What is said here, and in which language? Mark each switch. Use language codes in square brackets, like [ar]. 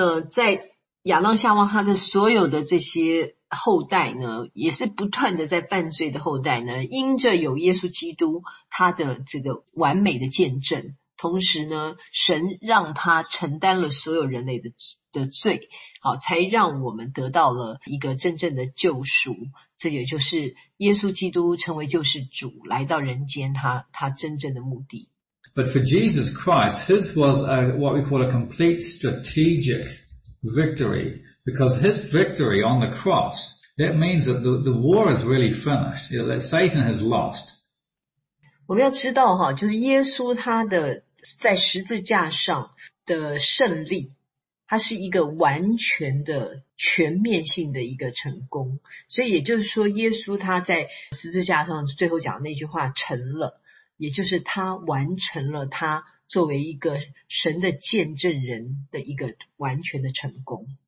[zh] 在亚当夏娃他的所有的这些后代呢，也是不断的在犯罪的后代呢，因着有耶稣基督他的这个完美的见证，同时呢，神让他承担了所有人类的罪，好，才让我们得到了一个真正的救赎。这也就是耶稣基督成为救世主来到人间他真正的目的。 [en] But for Jesus Christ, his was a, what we call a complete strategic victory, because his victory on the cross, that means that the war is really finished, you know, that Satan has lost. [zh] 我们要知道哈，就是耶稣他的在十字架上的胜利，他是一个完全的全面性的一个成功。所以也就是说，耶稣他在十字架上最后讲的那句话成了，也就是他完成了他作为一个神的见证人的一个完全的成功。